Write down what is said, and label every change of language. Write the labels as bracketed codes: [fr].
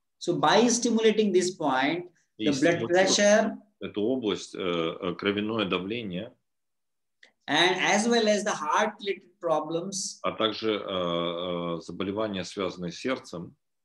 [en] So by stimulating this point, the blood pressure, [ru] эту область, кровяное давление, [en] and as well as the heart-related problems, [ru] а также заболевания, связанные с сердцем,